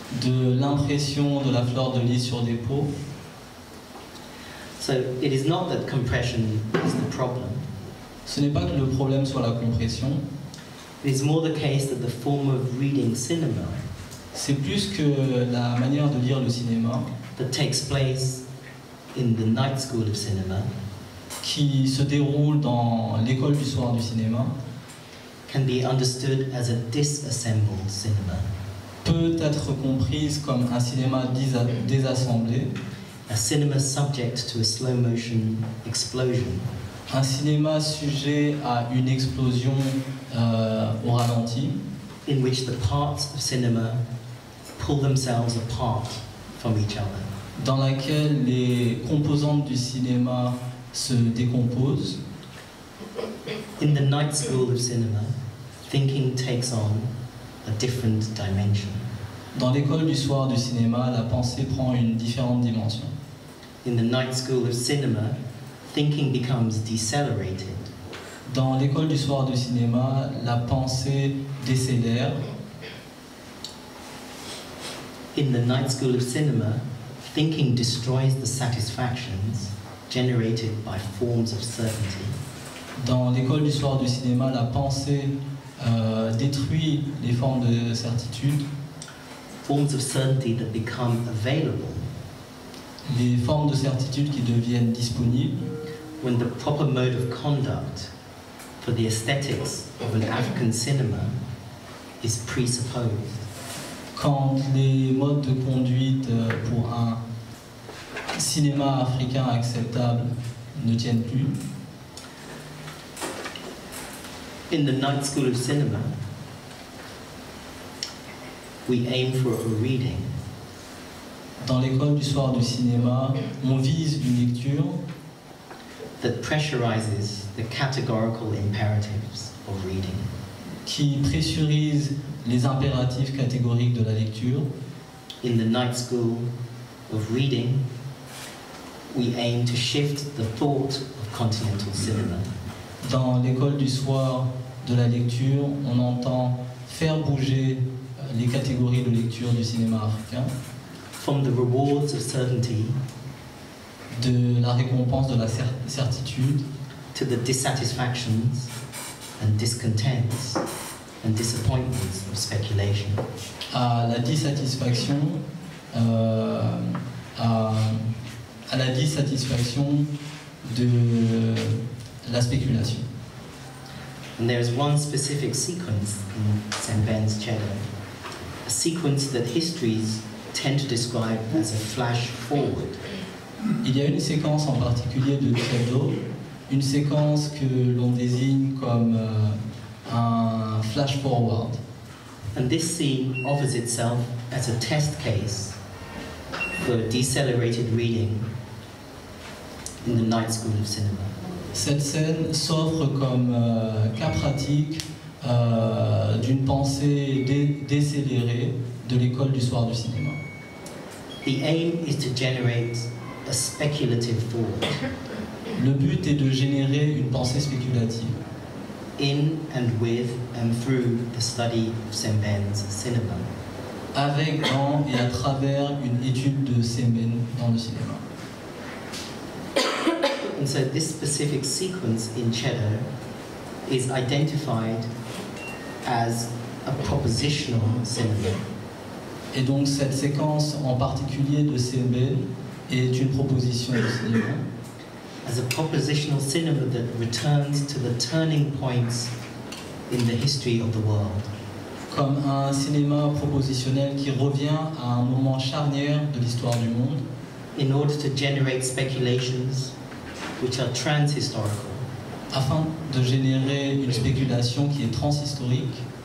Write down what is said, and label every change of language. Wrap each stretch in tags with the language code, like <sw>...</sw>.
<fr>De l'impression de la fleur de lys sur des peaux.</fr> <en>So it is not that compression is the problem.</en> <fr>Ce n'est pas que le problème soit la compression.</fr> <en>It is more the case that the form of reading cinema.</en> <fr>C'est plus que la manière de lire le cinéma.</fr> <en>That takes place in the night school of cinema,</en> <fr>qui se déroule dans l'école du soir du cinéma,</fr> <en>can be understood as a disassembled cinema,</en> <fr>peut être comprise comme un cinéma désassemblé,</fr> <en>a cinema subject to a slow motion explosion.</en> <fr>Un cinéma sujet à une explosion au ralenti.</fr> <en>In which the parts of cinema pull themselves apart from each other.</en> <fr>Dans laquelle les composantes du cinéma se décomposent.</fr> <en>In the night school of cinema, thinking takes on a different dimension.</en> <fr>Dans l'école du soir du cinéma, la pensée prend une différente dimension.</fr> <en>In the night school of cinema, thinking becomes decelerated.</en> <fr>Dans l'école du soir du cinéma, la pensée décélère.</fr> <en>In the night school of cinema, thinking destroys the satisfactions generated by forms of certainty.</en> <fr>Dans l'école du soir du cinéma, la pensée détruit les formes de certitude.</fr> <en>Forms of certainty that become available.</en> <fr>Les formes de certitude qui deviennent disponibles.</fr> <en>When the proper mode of conduct for the aesthetics of an African cinema is presupposed.</en> <fr>Quand les modes de conduite pour un cinéma africain acceptable ne tiennent plus.</fr> <en>In the night school of cinema, we aim for a reading.</en> <fr>Dans l'école du soir du cinéma, on vise une lecture</fr> <en>that pressurizes the categorical imperatives of reading.</en> <fr>Qui pressurise les impératifs catégoriques de la lecture.</fr> <en>In the night school of reading, we aim to shift the thought of continental cinema.</en> <fr>Dans l'école du soir de la lecture, on entend faire bouger les catégories de lecture du cinéma africain.</fr> <en>From the rewards of certainty,</en> <fr>de la récompense de la certitude,</fr> <en>to the dissatisfactions and discontents and disappointments of speculation.</en> <fr>À la dissatisfaction, à la dissatisfaction de la spéculation.</fr> <en>And there is one specific sequence in Saint-Ben's Cheddar, a sequence that histories tend to describe as a flash forward.</en> <fr>Il y a une séquence en particulier de Cheddo, une séquence que l'on désigne comme un flash forward.</fr> <en>And this scene offers itself as a test case for decelerated reading in the night school of cinema.</en> <fr>Cette scène s'offre comme cas pratique d'une pensée décélérée de l'école du soir du cinéma.</fr> <en>The aim is to generate a speculative thought.</en> <fr>Le but est de générer une pensée spéculative.</fr> <en>In and with and through the study of Saint-Ben's cinema.</en> <fr>Avec, dans et à travers une étude de Saint-Ben dans le cinéma.</fr> <en>And so this specific sequence in Cheddar is identified as a propositional cinema.</en> <fr>Et donc cette séquence en particulier de Saint-Ben est une proposition de cinéma.</fr> <en>As a propositional cinema that returns to the turning points in the history of the world.</en> <fr>Comme un cinéma propositionnel qui revient à un moment charnière de l'histoire du monde.</fr> <en>In order to generate speculations which are trans-historical.</en> <fr>Afin de générer une spéculation qui est trans-historique.</fr>